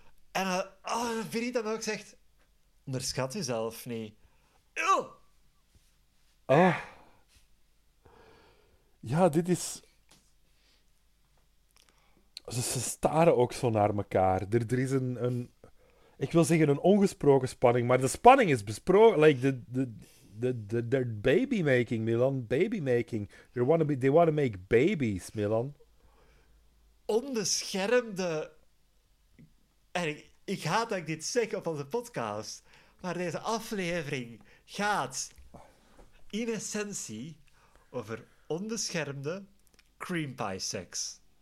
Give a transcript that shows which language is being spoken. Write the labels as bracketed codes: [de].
[nl] En Vinnie dan ook zegt, onderschat jezelf niet. Ah. Ja, dit is... Ze staren ook zo naar elkaar. Er is een... Ik wil zeggen een ongesproken spanning, maar de spanning is besproken. [en] Like, they're babymaking, Milan. Babymaking. They want to make babies, Milan. [nl] Onbeschermde... En ik haat dat ik dit zeg op onze podcast, maar deze aflevering gaat in essentie over onbeschermde cream pie seks.